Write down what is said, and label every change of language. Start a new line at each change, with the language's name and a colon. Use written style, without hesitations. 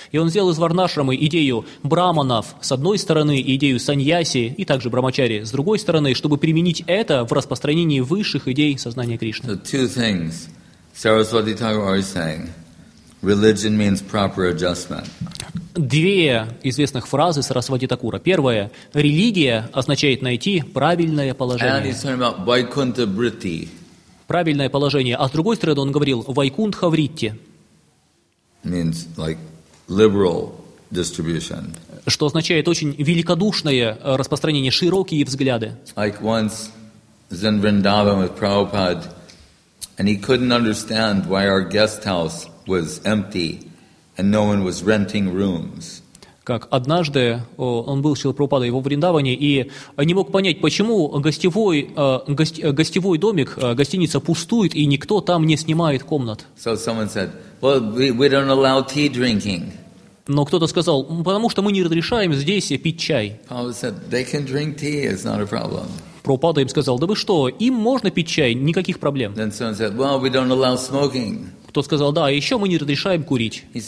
Russian: И он взял из варнашрамы идею браманов с одной стороны, идею саньи Яси и также Брамачари, с другой стороны, чтобы применить это в распространении высших идей сознания Кришны.
English: So two things Saraswati Thakur is saying. Religion means proper adjustment.
Russian: Две известных фразы Сарасвати Такура. Первое. Религия означает найти правильное положение.
English: And he's talking about Vaikuntha Vritti.
Russian: Правильное положение. А с другой стороны, он говорил Вайкунтха Вритти.
English: Means like liberal distribution.
Russian: Что означает очень великодушное распространение, широкие взгляды.
English: Like once Zen Vrindavan with Prabhupada, and he couldn't understand why our guest house was empty and no one was renting rooms.
Russian: Как однажды он был с Шрилой Прабхупадой во Вриндаване и не мог понять, почему гостевой домик, гостиница пустует и никто там не снимает комнат.
English: So someone said, well, we don't allow tea drinking.
Russian: Но кто-то сказал, потому что мы не разрешаем здесь пить чай. Прабхупада им сказал, да вы что, им можно пить чай, никаких проблем. Кто сказал, да, еще мы не разрешаем курить.